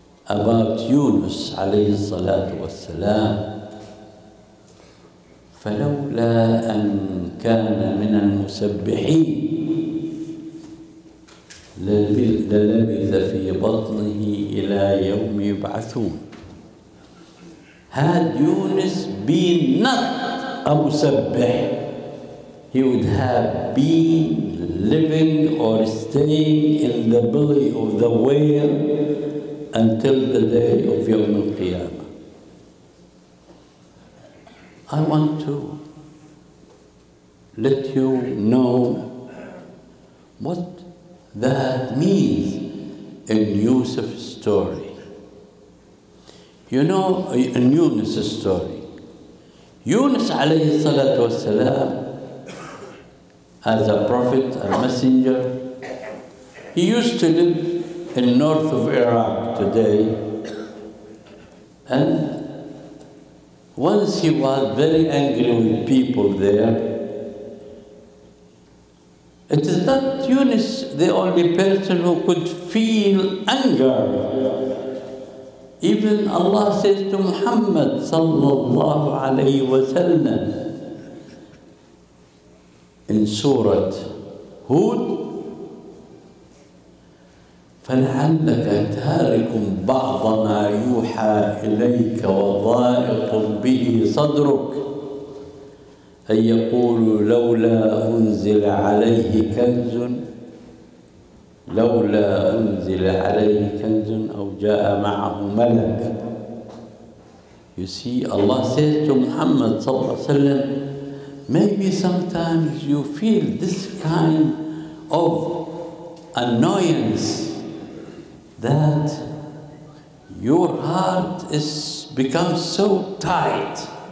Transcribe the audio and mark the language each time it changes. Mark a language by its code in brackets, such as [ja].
[en] about Yunus [ar] عليه الصلاة والسلام فلولا أن كان من المسبحين للبث في بطنه إلى يوم يبعثون. [en] Had Yunus been not a مسبح, he would have been living or staying in the belly of the whale until the day of [ar] يوم القيامة. [en] I want to let you know what that means in Yusuf's story. You know, in Yunus's story, Yunus [ar] عليه الصلاة والسلام, [en] as a prophet, a messenger, he used to live in north of Iraq today, and once he was very angry with people there. It is not Yunus the only person who could feel anger. Even Allah says to Muhammad sallallahu alayhi wa sallam in Surah Hud, [ar] فلعلك تارك بعض ما يوحى إليك وضائق به صدرك أن يقولوا لولا أنزل عليه كنز لولا أنزل عليه كنز أو جاء معه ملك. [en] You see, Allah said to Muhammad [ar] صلى الله عليه وسلم, [en] maybe sometimes you feel this kind of annoyance that your heart is become so tight